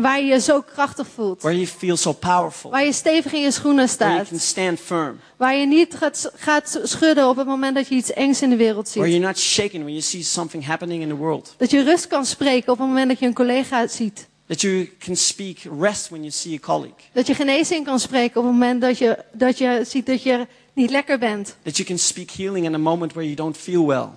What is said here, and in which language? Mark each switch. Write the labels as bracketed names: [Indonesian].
[Dutch] Waar je zo krachtig voelt. [English] Where you feel so powerful. [Dutch] Waar je stevig in je schoenen staat. [English] Where you can stand firm. [Dutch] Waar je niet gaat schudden op het moment dat je iets engs in de wereld ziet. [English] Where you're not shaken when you see something happening in the world. [Dutch] Dat je rust kan spreken op het moment dat je een collega ziet. [English] That you can speak rest when you see a colleague. [Dutch] Dat je genezing kan spreken op het moment dat je ziet dat je niet lekker bent. [English] That you can speak healing in a moment where you don't feel well.